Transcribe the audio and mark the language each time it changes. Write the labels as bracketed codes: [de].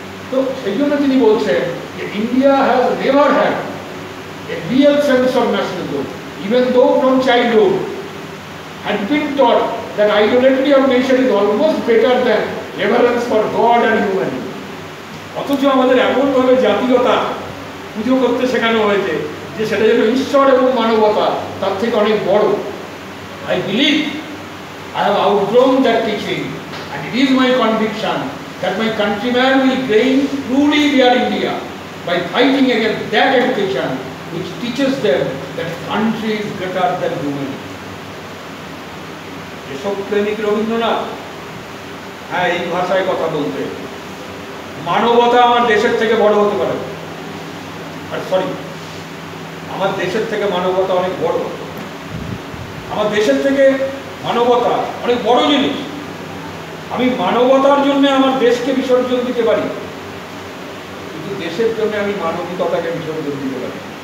[bn] তো সেই জন্য তিনি বলছেন যে [en] India has never had a real sense of nationalism, even though from childhood had been taught that identity of nation is almost better than reverence for God and humanity. [bn] অথচ আমাদের এমনভাবে জাতীয়তা পুজো করতে শেখানো হয়েছে যে সেটা যেন ঈশ্বর এবং মানবতা তার থেকে অনেক বড়। [en] I believe I have outgrown that teaching and it is my conviction that my countrymen will gain truly real India by fighting against that education which teaches them that country is greater than human. [bn] এসব প্রেমিক রবীন্দ্রনাথ, হ্যাঁ এই ভাষায় কথা বলতে, মানবতা আমার দেশের থেকে বড় হতে পারে, আর সরি আমার দেশের থেকে মানবতা অনেক বড়, আমার দেশের থেকে মানবতা অনেক বড় জিনিস, আমি মানবতার জন্য আমার দেশকে বিসর্জন দিতে পারি কিন্তু দেশের জন্য আমি মানবিকতাকে বিসর্জন দিতে পারি।